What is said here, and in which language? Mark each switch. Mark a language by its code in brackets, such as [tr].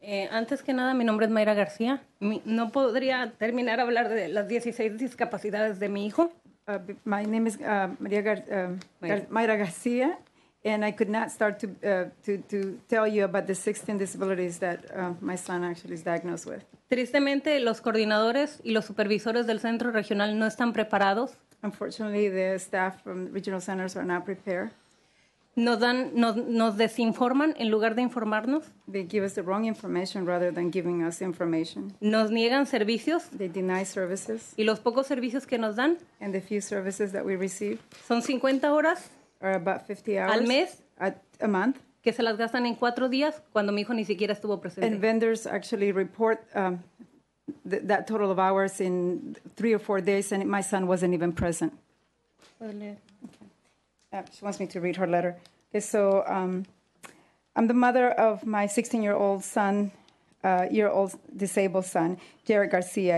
[es] Antes que nada, mi nombre es Mayra García. No podría terminar hablar de las 16 discapacidades de mi hijo. [en] My name is Mayra García, and I could not start to tell you about the 16 disabilities that my son actually is diagnosed with. [es] Tristemente, los coordinadores y los supervisores del centro regional no están preparados. [en] Unfortunately, the staff from regional centers are not prepared. [es] Nos desinforman en lugar de informarnos. [en] They give us the wrong information rather than giving us information. [es] Nos niegan servicios. [en] They deny services. [es] Y los pocos servicios que nos dan. [en] And the few services that we receive. [es] Son 50 horas. [en] Are about 50 hours. [es] Al mes. [en] A month. [es] Que se las gastan en 4 días cuando mi hijo ni siquiera estuvo presente. [en] And vendors actually report that total of hours in 3 or 4 days, and my son wasn't even present. Okay. She wants me to read her letter. Okay, so I'm the mother of my 16-year-old son, year-old disabled son, Jared Garcia.